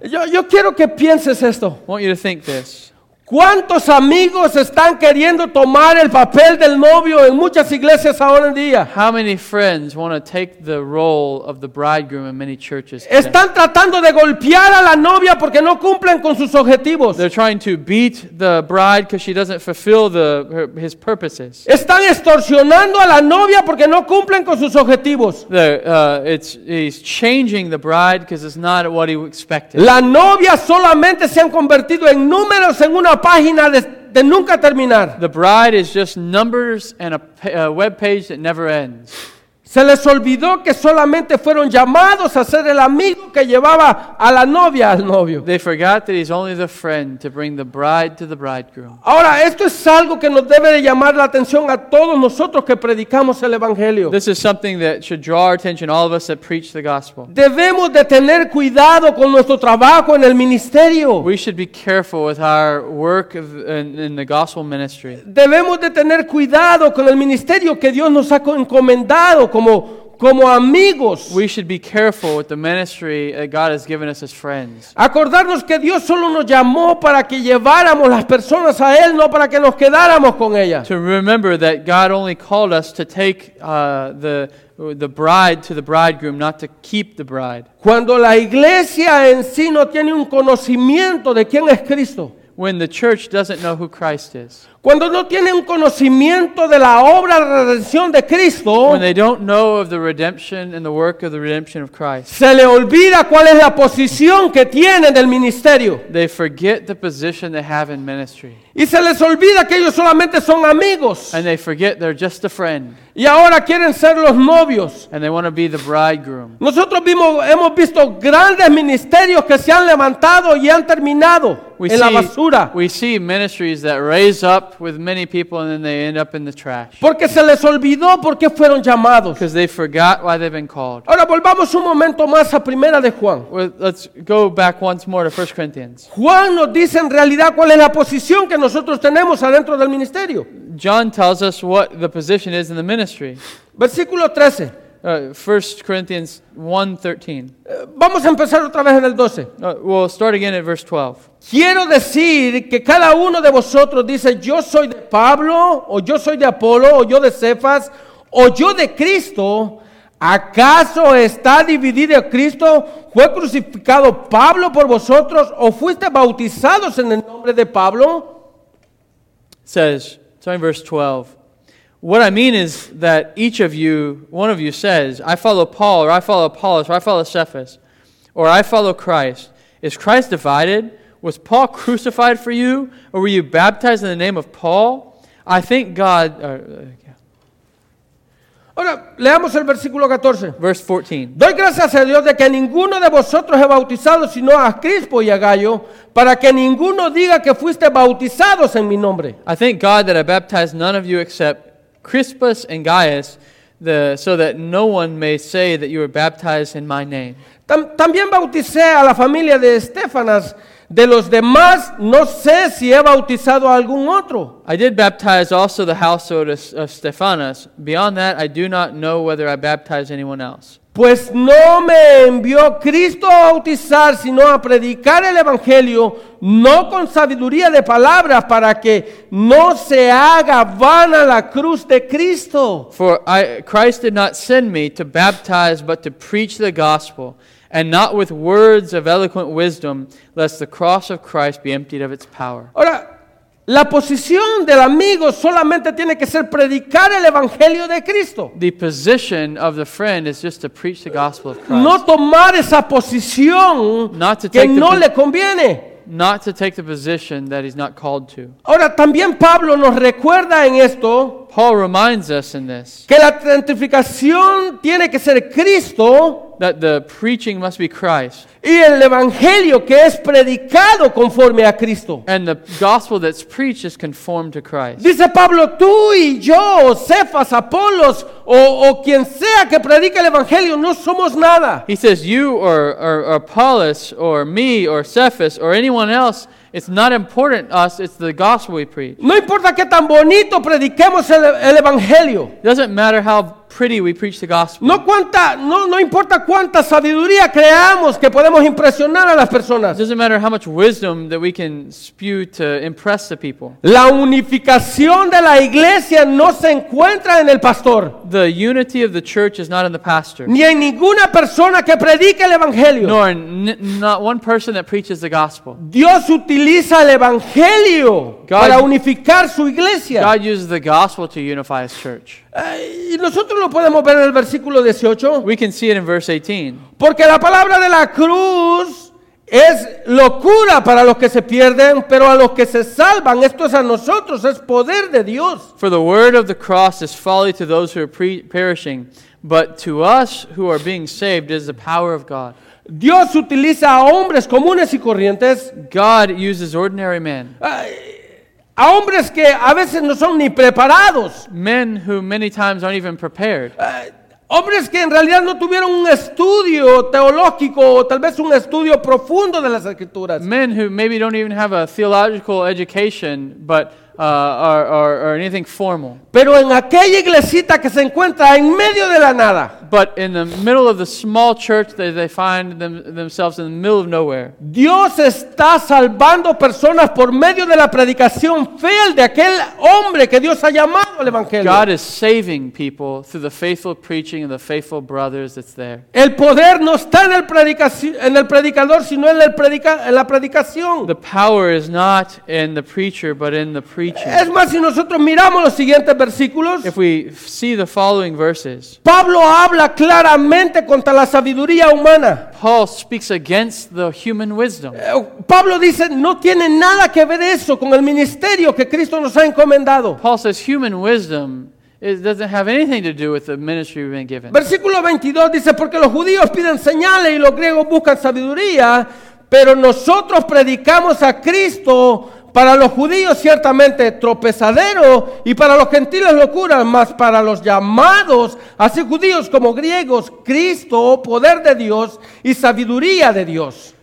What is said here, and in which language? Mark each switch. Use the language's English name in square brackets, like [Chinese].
[Spanish] Yo quiero que pienses esto. [English] I want you to think this. [Spanish] ¿Cuántos amigos están queriendo tomar el papel del novio en muchas iglesias ahora en día? [English] How many friends want to take the role of the bridegroom in many churches today? [Spanish] Están tratando de golpear a la novia porque no cumplen con sus objetivos. [English] They're trying to beat the bride because she doesn't fulfill his purposes. [Spanish] Están extorsionando a la novia porque no cumplen con sus objetivos. [English] He's changing the bride because it's not what he expected. [Spanish] La novia solamente se han convertido en números en una página de nunca terminar. [English] The bride is just numbers and a web page that never ends. [Spanish] Se les olvidó que solamente fueron llamados a ser el amigo que llevaba a la novia al novio. [English] They forgot that he's only the friend to bring the bride to the bridegroom. [Spanish] Ahora, esto es algo que nos debe de llamar la atención a todos nosotros que predicamos el evangelio. [English] This is something that should draw our attention, all of us that preach the gospel. [Spanish] Debemos de tener cuidado con nuestro trabajo en el ministerio. [English] We should be careful with our work in the gospel ministry. [Spanish] Debemos de tener cuidado con el ministerio que Dios nos ha encomendado. Como amigos. [English] We should be careful with the ministry that God has given us as friends. [Spanish] Acordarnos que Dios solo nos llamó para que lleváramos las personas a Él, no para que nos quedáramos con ellas. [English] To remember that God only called us to take the bride to the bridegroom, not to keep the bride. [Spanish] Cuando la iglesia en sí no tiene un conocimiento de quién es Cristo. [English] When the church doesn't know who Christ is. [Spanish] Cuando no tienen un conocimiento de la obra de redención de Cristo. [English] When they don't know of the redemption and the work of the redemption of Christ. [Spanish] Se le olvida cuál es la posición que tienen en el ministerio. [English] They forget the position they have in ministry. [Spanish] Y se les olvida que ellos solamente son amigos. [English] And they forget they're just a friend. [Spanish] Y ahora quieren ser los novios. [English] And they want to be the bridegroom. [Spanish] Nosotros hemos visto grandes ministerios que se han levantado y han terminado en la basura. [English] We see ministries that raise up with many people and then they end up in the trash. [Spanish] Porque se les olvidó por qué fueron llamados. [English] Because they forgot why they've been called. [Spanish] Ahora volvamos un momento más a Primera de Juan. [English] Let's go back once more to 1 Corinthians. [Spanish] Juan nos dice en realidad cuál es la posición que nosotros tenemos adentro del ministerio. [English] John tells us what the position is in the ministry. [Spanish] Versículo 13. [English] 1 Corinthians 1:13. [Spanish] Vamos a empezar otra vez en el 12. [English] We'll start again at verse 12. [Spanish] Quiero decir que cada uno de vosotros dice, yo soy de Pablo, o yo soy de Apolo, o yo de Cefas, o yo de Cristo. ¿Acaso está dividido Cristo? ¿Fue crucificado Pablo por vosotros? ¿O fuiste bautizados en el nombre de Pablo? [English] Says, starting verse 12. What I mean is that each of you, one of you says, I follow Paul, or I follow Apollos, or I follow Cephas, or I follow Christ. Is Christ divided? Was Paul crucified for you? Or were you baptized in the name of Paul? I thank God. [Spanish] Ahora, leamos el versículo 14. [English] Verse 14. [Spanish] Doy gracias a Dios de que ninguno de vosotros he bautizado sino a Crispo y a Gallo, para que ninguno diga que fuiste bautizados en mi nombre. [English] I thank God that I baptized none of you except Crispus and Gaius, so that no one may say that you were baptized in my name. [Spanish] También bauticé a la familia de Estefanas, De los demás, no sé si he bautizado a algún otro. [English] I did baptize also the household of Stephanas. Beyond that, I do not know whether I baptized anyone else. [Spanish] Pues no me envió Cristo a bautizar, sino a predicar el Evangelio, no con sabiduría de palabras, para que no se haga vana la cruz de Cristo. [English] For Christ did not send me to baptize, but to preach the gospel, and not with words of eloquent wisdom, lest the cross of Christ be emptied of its power. [Spanish] Ahora, la posición del amigo solamente tiene que ser predicar el Evangelio de Cristo. [English] The position of the friend is just to preach the gospel of Christ. [Spanish] No tomar esa posición que no le conviene. [English] Not to take the position that he's not called to. [Spanish] Ahora, también Pablo nos recuerda en esto. [English] Paul reminds us in this. [Spanish] Que la santificación tiene que ser Cristo. [English] That the preaching must be Christ. [Spanish] Y el evangelio que es predicado conforme a Cristo. [English] And the gospel that's preached is conformed to Christ. [Spanish] Dice Pablo, tú y yo, o Cephas, Apolos, o quien sea que predique el evangelio, no somos nada. [English] He says, you or Apollos, or me, or Cephas, or anyone else, it's not important to us, it's the gospel we preach. [Spanish] No importa qué tan bonito prediquemos el evangelio. [English] It doesn't matter how pretty we preach the gospel. [Spanish] No importa cuánta sabiduría creamos que podemos impresionar a las personas. [English] It doesn't matter how much wisdom that we can spew to impress the people. [Spanish] La unificación de la iglesia no se encuentra en el pastor. [English] The unity of the church is not in the pastor. [Spanish] Ni en ninguna persona que predique el evangelio. [English] Nor not one person that preaches the gospel. [Spanish] Dios utiliza el evangelio para unificar su iglesia. [English] God uses the gospel to unify his church. [Spanish] Y nosotros lo podemos ver en el versículo 18. [English] We can see it in verse 18. [Spanish] Porque la palabra de la cruz es locura para los que se pierden, pero a los que se salvan, esto es a nosotros, es poder de Dios. [English] For the word of the cross is folly to those who are perishing, but to us who are being saved is the power of God. [Spanish] Dios utiliza a hombres comunes y corrientes. [English] God uses ordinary men. [Spanish] A hombres que a veces no son ni preparados. [English] Men who many times aren't even prepared. [Spanish] Hombres que en realidad no tuvieron un estudio teológico o tal vez un estudio profundo de las Escrituras. [English] Men who maybe don't even have a theological education, but or anything formal. [Spanish] Pero en aquella iglesita que se encuentra en medio de la nada. [English] But in the middle of the small church that they find themselves in the middle of nowhere. [Spanish] Dios está salvando personas por medio de la predicación fiel de aquel hombre que Dios ha llamado al evangelio. [English] God is saving people through the faithful preaching and the faithful brothers that's there. [Spanish] El poder no está en el predicador, sino en la predicación. [English] The power is not in the preacher, but in the preaching. [Spanish] Es más, si nosotros miramos los siguientes versículos, [English] if we see the following verses, [Spanish] Pablo habla claramente contra la sabiduría humana. [English] Paul speaks against the human wisdom. [Spanish] Pablo dice, no tiene nada que ver eso con el ministerio que Cristo nos ha encomendado. [English] Paul says, human wisdom, it doesn't have anything to do with the ministry we've been given. [Spanish] Versículo 22 dice, porque los judíos piden señales y los griegos buscan sabiduría, pero nosotros predicamos a Cristo. Para los judíos ciertamente tropezadero y para los gentiles locura, mas para los llamados, así judíos como griegos, Cristo, poder de Dios y sabiduría de Dios.